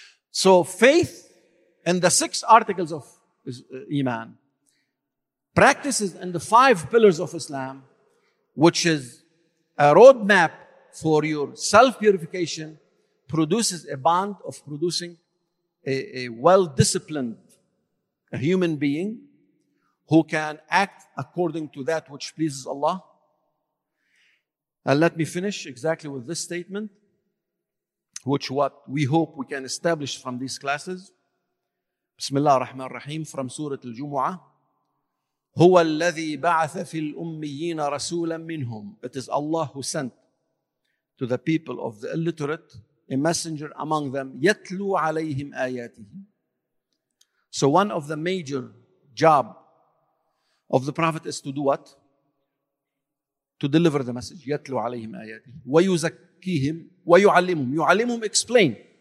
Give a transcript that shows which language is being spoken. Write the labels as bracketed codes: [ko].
[en] So faith in the six articles of Iman, practices in the five pillars of Islam, which is a roadmap for your self-purification, produces a bond of producing a well-disciplined human being who can act according to that which pleases Allah. And let me finish exactly with this statement, which what we hope we can establish from these classes. Bismillah ar-Rahman ar-Rahim, from Surah Al-Jumu'ah. [ar] هو الذي بعث في الأميين رسولا منهم. [en] It is Allah who sent to the people of the illiterate a messenger among them. [ar] يتلو عليهم آياته. [en] So one of the major job of the Prophet is to do what? To deliver the message. [ar] يتلو عليهم آياته. ويزكيهم ويعلمهم. يعلمهم, [en] explain.